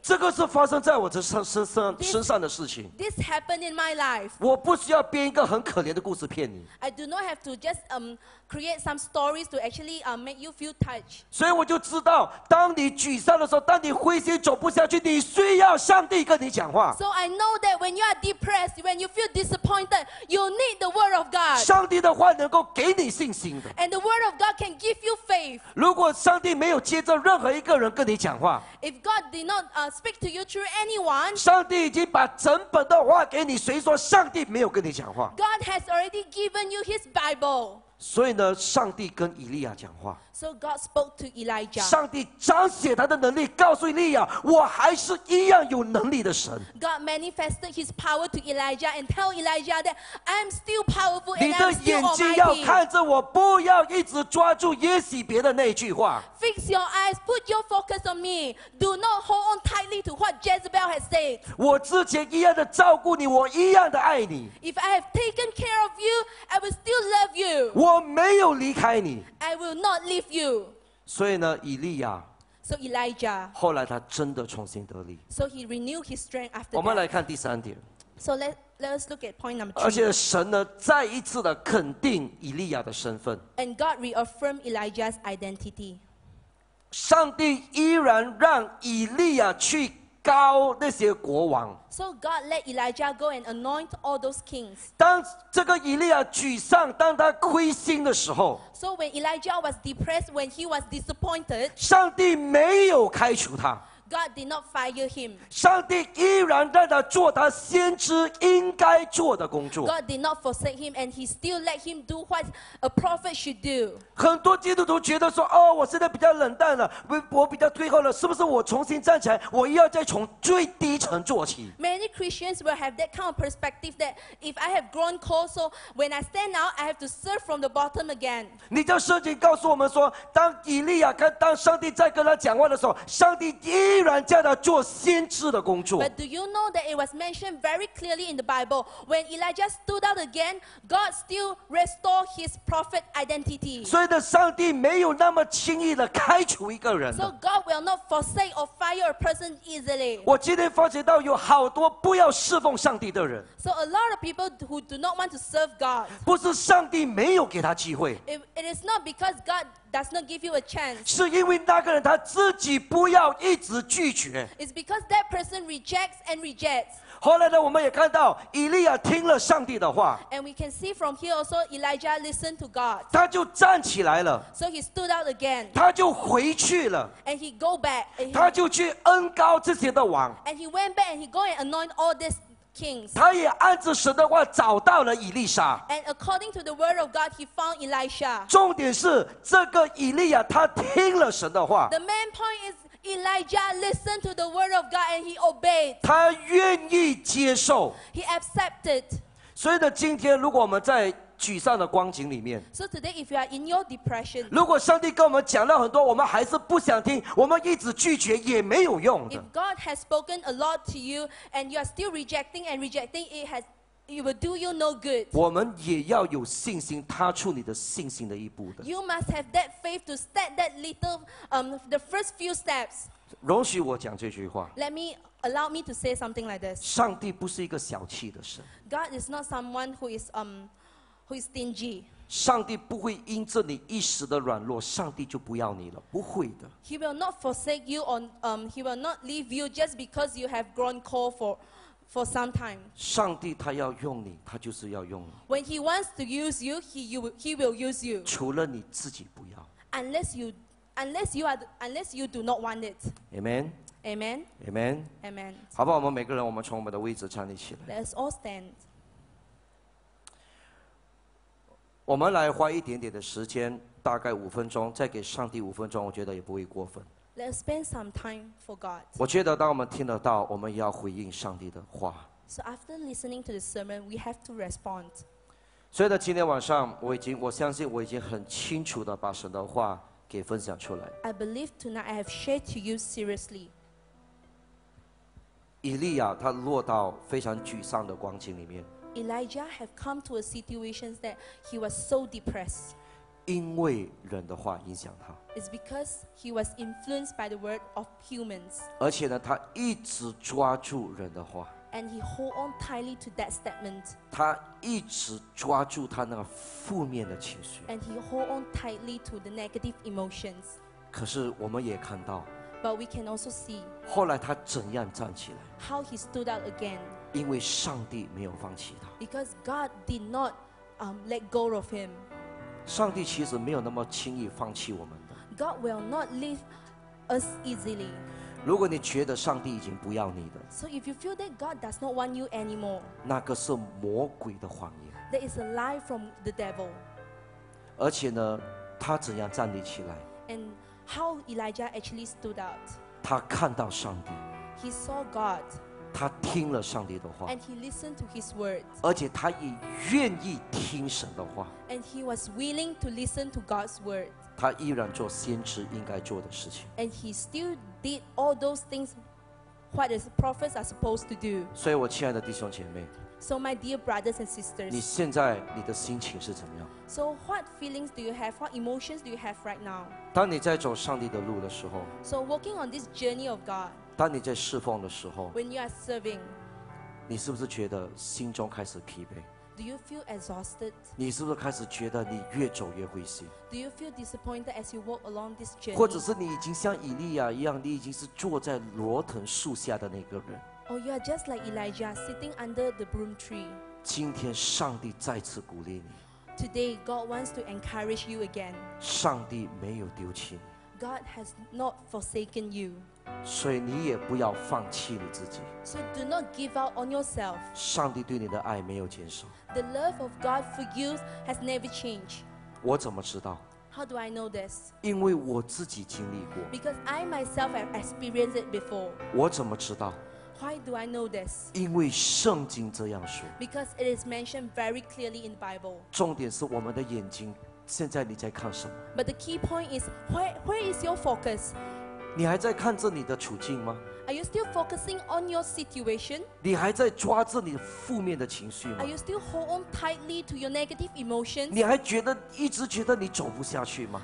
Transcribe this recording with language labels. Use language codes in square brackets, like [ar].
[zh] 这个是发生在我的身上的事情。 [en] This happened in my life. [zh] 我不需要编一个很可怜的故事骗你。 [en] I do not have to just create some stories to actually make you feel touched. [zh] 所以我就知道，当你沮丧的时候，当你灰心走不下去，你需要上帝跟你讲话。 [en] So I know that when you are depressed, when you feel disappointed, you need the word of God. [zh] 上帝的话能够给你信心的。 [en] And the word of God can give you faith. [zh] 如果上帝没有接着任何一个人跟你讲话 [en] ，If God did not speak to you through anyone, [zh] 上帝已经把整本的话给你，谁说上帝没有跟你讲话 [en] ？God has already given you His Bible. [zh] 所以呢，上帝跟以利亚讲话。 [en] So God spoke to Elijah. [zh] 上帝彰显他的能力，告诉以利亚，我还是一样有能力的神。 [en] God manifested His power to Elijah and tell Elijah that I'm still powerful and I'm still almighty. [zh] 你的眼睛要看着我，不要一直抓住耶洗别的那句话。 [en] Fix your eyes, put your focus on me. Do not hold on tightly to what Jezebel has said. [zh] 我之前一样的照顾你，我一样的爱你。 [en] If I have taken care of you, I will still love you. [zh] 我没有离开你。 [en] I will not leave. You. [zh] 所以呢，以利亚。 [en] So Elijah. [zh] 后来他真的重新得力。 [en] So he renewed his strength after. [zh] 我们来看第三点。 [en] So let us look at point number three. [zh] 而且神呢，再一次的肯定以利亚的身份。 [en] And God reaffirmed Elijah's identity. [zh] 上帝依然让以利亚去膏那些国王。 [en] So God let Elijah go and anoint all those kings. [zh] 当这个以利亚沮丧，当他灰心的时候。 [en] So when Elijah was depressed, when he was disappointed, [zh] 上帝没有开除他。 [en] God did not fire him. [zh] 上帝依然让他做他先知应该做的工作。 [en] God did not forsake him, and he still let him do what a prophet should do. [zh] 很多基督徒觉得说，哦，我现在比较冷淡了，我比较退后了，是不是我重新站起来，我又要再从最低层做起 [en] ？Many Christians will have that kind of perspective that if I have grown cold, so when I stand out, I have to serve from the bottom again. [zh] 你知道圣经告诉我们说，当以利亚跟当上帝在跟他讲话的时候，上帝依然叫他做先知的工作。 [en] But do you know that it was mentioned very clearly in the Bible when Elijah stood out again, God still restored his prophet identity. [zh] 所以的上帝没有那么轻易的开除一个人。 [en] So God will not forsake or fire a person easily. [zh] 我今天发觉到有好多不要侍奉上帝的人。 [en] So a lot of people who do not want to serve God. [zh] 不是上帝没有给他机会。 [en] It is not because God does not give you a chance. [zh] 是因为那个人他自己不要一直拒绝。 [en] It's because that person rejects and rejects. [zh] 后来呢，我们也看到以利亚听了上帝的话。 [en] And we can see from here also Elijah listened to God. [zh] 他就站起来了。 [en] So he stood out again. [zh] 他就回去了。 [en] And he go back. [zh] 他就去恩膏这些的王。 [en] And he went back and he go and anoint all this. Kings. [zh] 他也按着神的话找到了以利沙。 [en] And according to the word of God, he found Elisha. [zh] 重点是这个以利亚他听了神的话。 [en] The main point is Elijah listened to the word of God and he obeyed. [zh] 他愿意接受。 [en] He accepted. [zh] 所以呢，今天如果我们在沮丧的光景里面。 [en] So today, if you are in your depression, [zh] 如果上帝跟我们讲了很多，我们还是不想听，我们一直拒绝也没有用的。 [en] If God has spoken a lot to you and you are still rejecting and rejecting, it will do you no good. [zh] 我们也要有信心，踏出你的信心的一步的。 [en] You must have that faith to step that little, the first few steps. [zh] 容许我讲这句话。 [en] Allow me to say something like this. [zh] 上帝不是一个小气的神。 [en] God is not someone who is Who is stingy? [zh] 上帝不会因着你一时的软弱，上帝就不要你了，不会的。 [en] He will not forsake you on He will not leave you just because you have grown cold for some time. [zh] 上帝他要用你，他就是要用你。 [en] When He wants to use you, He will use you. [zh] 除了你自己不要。 [en] Unless you do not want it. Amen. Amen. Amen. Amen. [zh] 好吧，我们每个人，我们从我们的位置站立起来。 [en] Let's all stand. [zh] 我们来花一点点的时间，大概五分钟，再给上帝五分钟，我觉得也不会过分。 [en] Let's spend some time for God. [zh] 我觉得当我们听得到，我们也要回应上帝的话。 [en] So after listening to the sermon, we have to respond. [zh] 所以呢，今天晚上我相信我已经很清楚地把神的话给分享出来。 [en] I believe tonight I have shared to you seriously. [zh] 以利亚他落到非常沮丧的光景里面。 [en] Elijah had come to a situation that he was so depressed. [zh] 因为人的话影响他。 [en] It's because he was influenced by the word of humans. [zh] 而且呢，他一直抓住人的话。 [en] And he hold on tightly to that statement. [zh] 他一直抓住他那个负面的情绪。 [en] And he hold on tightly to the negative emotions. [zh] 可是我们也看到。 [en] But we can also see. [zh] 后来他怎样站起来。 [en] How he stood out again. [zh] 因为上帝没有放弃他。 [en] Because God did not let go of him. [zh] 上帝其实没有那么轻易放弃我们的。 [en] God will not leave us easily. [zh] 如果你觉得上帝已经不要你的。 [en] So if you feel that God does not want you anymore. [zh] 那个是魔鬼的谎言。 [en] That is a lie from the devil. [zh] 而且呢，他怎样站立起来。 [en] And how Elijah actually stood out. [zh] 他看到上帝。 [en] He saw God. [zh] 他听了上帝的话 [en] and he listened to his words. [zh] 而且他也愿意听神的话 [en] and he was willing to listen to God's word. [zh] 他依然做先知应该做的事情 [en] and he still did all those things what the prophets are supposed to do. [zh] 所以我亲爱的弟兄姐妹 [en] so my dear brothers and sisters, [zh] 你现在你的心情是怎么样 [en] so what feelings do you have, what emotions do you have right now? [zh] 当你在走上帝的路的时候 [en] so walking on this journey of God, [zh] 当你在侍奉的时候 [en] When you are serving, [zh] 你是不是觉得心中开始疲惫 [en] Do you feel exhausted? [zh] 你是不是开始觉得你越走越灰心 [en] Do you feel disappointed as you walk along this journey? [zh] 或者是你已经像以利亚一样你已经是坐在罗藤树下的那个人 [en] Or you are just like Elijah sitting under the broom tree [zh] 今天上帝再次鼓励你 [en] Today God wants to encourage you again [zh] 上帝没有丢弃你 [en] God has not forsaken you [zh] 所以你也不要放弃你自己 [en] So do not give out on yourself [zh] 上帝对你的爱没有减少 [en] The love of God for you has never changed [zh] 我怎么知道 [en] How do I know this [zh] 因为我自己经历过 [en] Because I myself have experienced it before [zh] 我怎么知道 [en] Why do I know this [zh] 因为圣经这样说 [en] Because it is mentioned very clearly in the Bible [zh] 重点是我们的眼睛现在你在看什么 [en] But the key point is where is your focus [zh] 你还在看着你的处境吗？ [en] Are you still focusing on your situation? [zh] 你还在抓着你负面的情绪吗？ [en] Are you still hold on tightly to your negative emotions? [zh] 你还觉得一直觉得你走不下去吗？